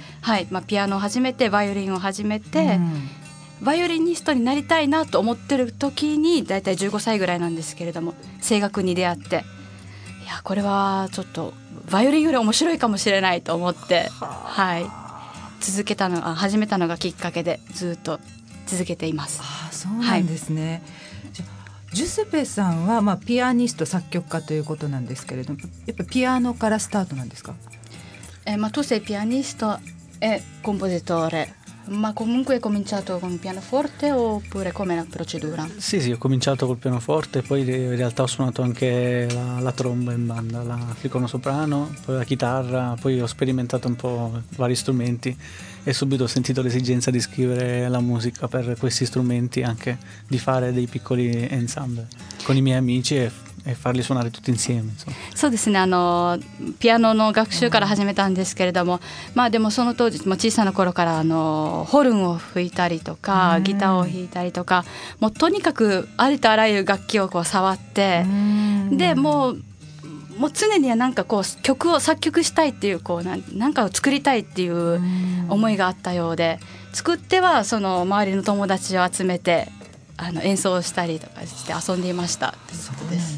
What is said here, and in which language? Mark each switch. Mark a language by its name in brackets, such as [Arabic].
[Japanese] はい、そこから、はい、まあ、ピアノを始めてバイオリンを始めて、バイオリニストになりたいなと思ってる時に、だいたい15歳ぐらいなんですけれども、声楽に出会って、いやこれはちょっとバイオリンより面白いかもしれないと思って、はい、始めたのがきっかけで、ずっと続けています。ああ、そうなんですね、はい。じゃ、ジュセペさんは、まあ、ピアニスト作曲家ということなんですけれども、やっぱピアノからスタートなんですか？ [Italian] まあ、tu sei pianista e compositore, ma comunque hai cominciato con pianoforte oppure come la procedura? Sì, sì, ho cominciato col pianoforte, poi in realtà ho suonato anche la tromba in banda, la flicono soprano, poi la chitarra, poi ho sperimentato un po' vari strumenti e subito ho sentito l'esigenza di scrivere la musica per questi strumenti, anche di fare dei piccoli ensemble con i miei amici e farli suonare tutti insieme, insomma. [Japanese] そうですね、ピアノの学習から始めたんですけれども、まあ、でもその当時、まあ、小さな頃からホルンを吹いたりとか、ギターを弾いたりとか、もうとにかくありとあらゆる楽器をこう触って、でもう常にはなんかこう曲を作曲したいっていう、こう なんかを作りたいっていう思いがあったようで、作ってはその周りの友達を集めて演奏したりとかして遊んでいましたということです。